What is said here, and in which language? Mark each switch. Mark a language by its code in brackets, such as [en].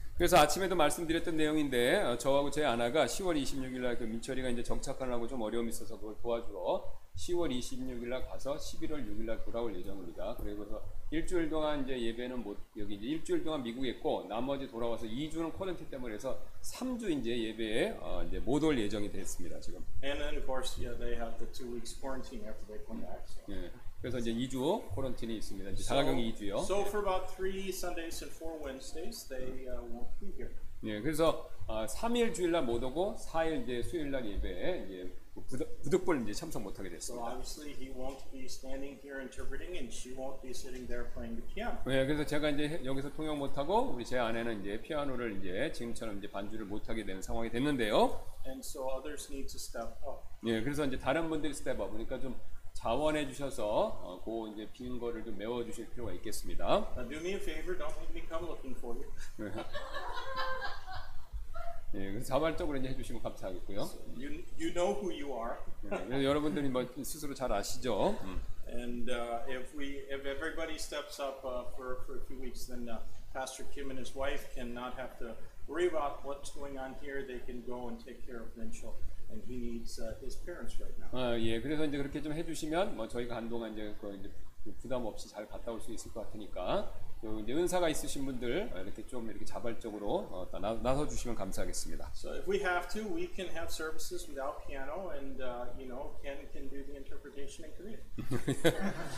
[ko] 그래서 아침에도 말씀드렸던 내용인데 저하고 제 아내가 10월 26일 날 그 민철이가 이제 정착하느라고 좀 어려움이 있어서 그걸 도와주러 10월 26일 날 가서 11월 6일 날 돌아올 예정입니다. 그리고서 일주일 동안 이제 예배는 못 여기 이제 일주일 동안 미국에 있고 나머지 돌아와서 2주는 코렌티 때문에 해서 3주 이제 예배에 이제 못 올 예정이 됐습니다, 지금. [en] And then of course yeah, they have the 2 weeks quarantine after they come back. So. [ko] 예. 그래서 이제 2주 코런틴이 있습니다. 이제 자가격리 2주요. [en] So for about 3 Sundays and 4 Wednesdays they won't be here. [ko] 예. 그래서 3일 주일날 못 오고 4일 이제 수요일 날 예배에 이제 부득불 이제 참석 못 하게 됐습니다. [en] So obviously he won't be standing here interpreting and she won't be sitting there playing the piano. [ko] 예. 그래서 제가 이제 여기서 통역 못 하고 우리 제 아내는 이제 피아노를 이제 지금처럼 이제 반주를 못 하게 되는 상황이 됐는데요. [en] And so others need to step up. [ko] 예. 그래서 이제 다른 분들이 스텝업 그러니까 좀 자원해 주셔서 그 이제 빈 거를 좀 메워 주실 필요가 있겠습니다. [en] Now do me a favor, don't make me come looking for you. [ko] 예, 그래서 자발적으로 이제 해주시면 감사하겠고요. [en] So you know who you are. [ko] 예, 여러분들이 뭐 스스로 잘 아시죠. [en] And if everybody steps up for a few weeks, then Pastor Kim and his wife cannot have to worry about what's going on here. They can go and take care of Minchel. And he needs his parents right now. [ko] 아, 예, 그래서 이제 그렇게 좀 해주시면 뭐 저희가 한동안 이제 그 이제 부담 없이 잘 갔다 올 수 있을 것 같으니까 그 이제 은사가 있으신 분들 이렇게 좀 이렇게 자발적으로 나서 주시면 감사하겠습니다. [en] So if we have to, we can have services without piano, and you know, Ken can do the interpretation in Korean.